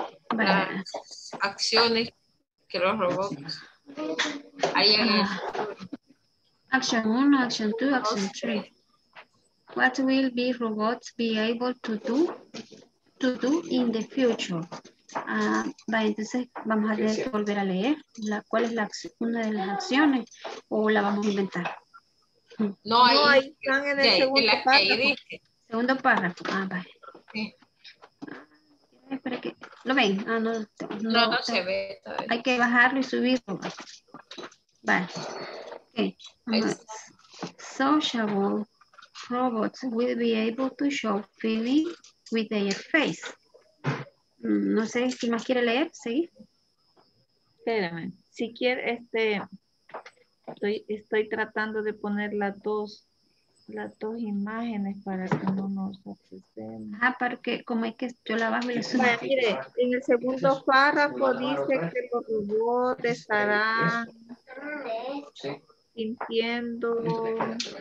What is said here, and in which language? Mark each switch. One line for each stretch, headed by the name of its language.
Spanish: Las acciones que los robots harían.
English: Action 1, action 2, action 3. What will be robots be able to do in the future?
Spanish: Vale, entonces vamos a volver a leer la, cuál es la, una de las acciones o la vamos a inventar. No, ahí están en el segundo párrafo. Segundo párrafo, ah, vale. Sí. Espera que ¿Lo ven? Ah, no. No se ve. Todavía. Hay que bajarlo y subirlo. Vale.
English: Sociable robots will be able to show feeling with their face.
Spanish: No sé si más quiere leer, ¿sí? Espérame. Si quiere, estoy tratando de poner las dos imágenes para que no nos accesemos. Ah, porque como es que yo la bajo y les... Mire, en el segundo párrafo dice que los robots estarán sintiendo